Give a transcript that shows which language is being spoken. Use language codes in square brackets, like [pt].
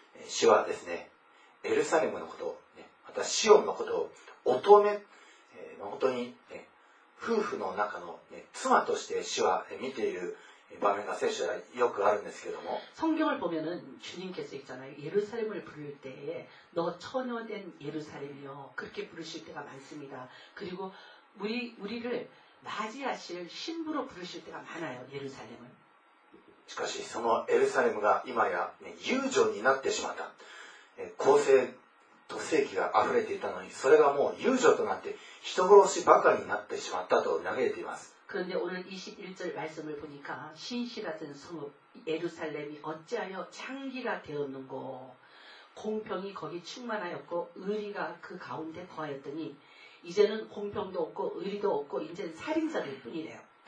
[ja] 主はですね、エルサレムのこと、またシオンのことを乙女、本当に、夫婦の中の、妻として主は見ている場面が聖書ではよくあるんですけども、 [ko] 성경을보면은주님께서있잖아요エルサレムを부를때에너처녀된エルサレムよ그렇게부르실때가많습니다그리고 우리를 맞이하실 신부로 부르실 때가 많아요. 예루살렘을. [ja] しかしそのエルサレムが今や、ね、遊女になってしまった。公正と正義が溢れていたのに、それがもう遊女となって人殺しばかりになってしまったと嘆いています。 [ko] 그런데오늘21절말씀을보니까신실하던성읍예루살렘이어찌하여창기가되었는고공평이거기충만하였고의리가그가운데거하였더니이제는공평도없고의리도없고이제는살인자들뿐이래요